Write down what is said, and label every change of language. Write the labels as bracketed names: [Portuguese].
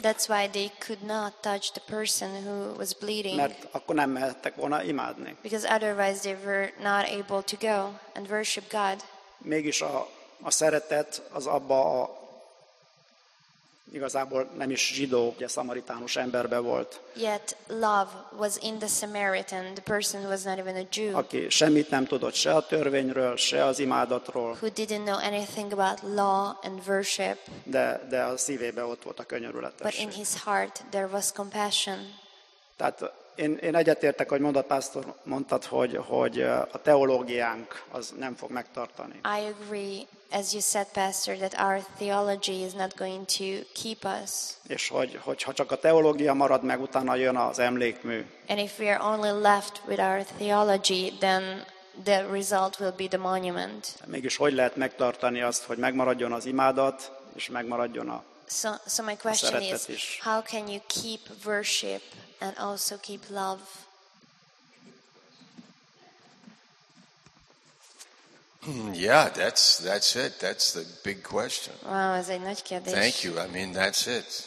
[English] That's why they could not touch the person who was bleeding. [Hungarian] Mert akkor nem mehettek volna imádni. [English] Because otherwise they were not able to go and worship God. [Hungarian] Mégis a szeretet az abba a igazából nem is zsidó, ugye szamaritánus emberbe volt. [English] Yet love was in the Samaritan, the person was not even a Jew. [Hungarian] Aki semmit nem tudott se a törvényről, se az imádatról. [English] Who didn't know anything about law and worship. [Hungarian] De a szívében ott volt a könyörületesség. [English] But in his heart there was compassion. [Hungarian] Tehát én egyetértek, hogy mondta pásztor, mondtad, hogy a teológiánk az nem fog megtartani. [English] I agree, as you said, pastor, that our theology is not going to keep us. [Hungarian] És hogyha csak a teológia marad meg, utána jön az emlékmű. [English] And if we are only left with our theology, then the result will be the monument. [Hungarian] Mégis hogy lehet megtartani azt, hogy megmaradjon az imádat, és megmaradjon a [English] So my question is, how can you keep worship and also keep love? Yeah, that's it. That's the big question. [Hungarian] Wow, ez egy nagy kérdés. [English] Thank you. I mean, that's it.